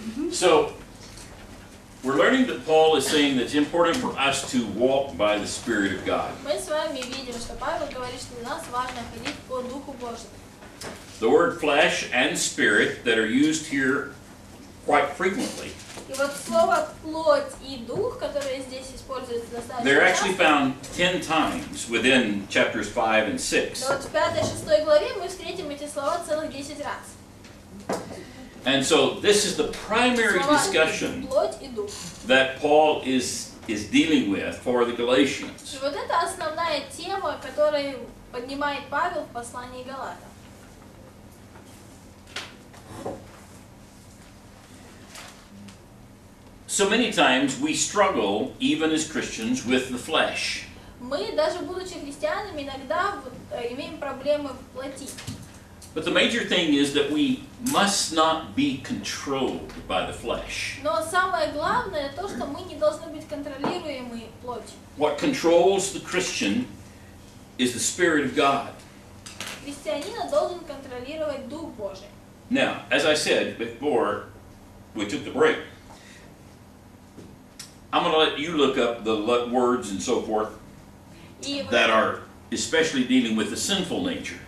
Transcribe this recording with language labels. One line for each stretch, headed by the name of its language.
English: So, we're learning that Paul is saying that it's important for us to walk by the Spirit of God. The word flesh and spirit that are used here quite frequently.
Russian: И вот слово плоть и дух, которое здесь используется достаточно.
English: They're actually found 10 times within chapters 5 and 6.
Russian: Но вот в 5-6 главе мы встретим эти слова целых 10 раз.
English: And so this is the primary
Russian: слова
English: discussion
Russian: плоть и дух.
English: That Paul is dealing with for the Galatians.
Russian: И вот это основная тема, которую поднимает Павел в послании Галатам.
English: So many times we struggle, even as Christians, with the flesh.
Russian: Мы даже будучи христианами иногда имеем проблемы в плоти.
English: But the major thing is that we must not be controlled by the flesh.
Russian: Но самое главное то, что мы не должны быть контролируемы плотью.
English: What controls the Christian is the Spirit of God.
Russian: Христианин должен контролировать Дух Божий.
English: Now, as I said before, we took the break. I'm going to let you look up the words and so forth that are especially dealing with the sinful nature.